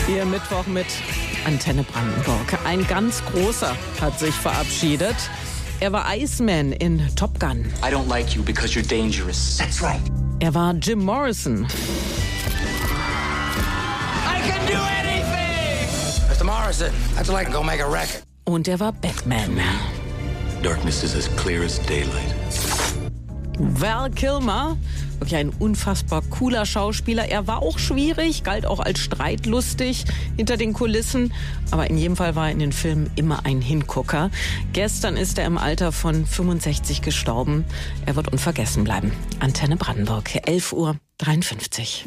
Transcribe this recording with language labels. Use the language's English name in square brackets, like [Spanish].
[German] Mittwoch mit Antenne Brandenburg. Ein ganz großer hat sich verabschiedet. Er war Iceman in Top Gun. [English] I don't like you because you're dangerous. That's right. [German] Er war Jim Morrison. [English] I can do anything! Mr. Morrison, how'd you like to go make a record? [German] Und er war Batman. [English] Darkness is as clear as daylight. [German] Val Kilmer, wirklich ein unfassbar cooler Schauspieler. Er war auch schwierig, galt auch als streitlustig hinter den Kulissen. Aber in jedem Fall war er in den Filmen immer ein Hingucker. Gestern ist er im Alter von 65 gestorben. Er wird unvergessen bleiben. Antenne Brandenburg, 11 Uhr 53.